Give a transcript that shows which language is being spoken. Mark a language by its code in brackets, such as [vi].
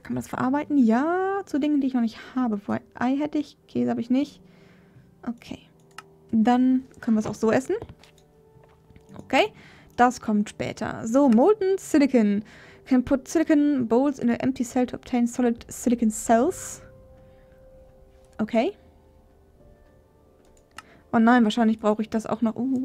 [de] Kann man das verarbeiten? Ja, zu Dingen, die ich noch nicht habe. Vorher Ei hätte ich, Käse habe ich nicht. Okay. Dann können wir es auch so essen. Okay. Das kommt später. So, Molten Silicon. [en] Can put Silicon Bowls in an empty cell to obtain solid Silicon Cells. Okay. [de] Oh nein, wahrscheinlich brauche ich das auch noch.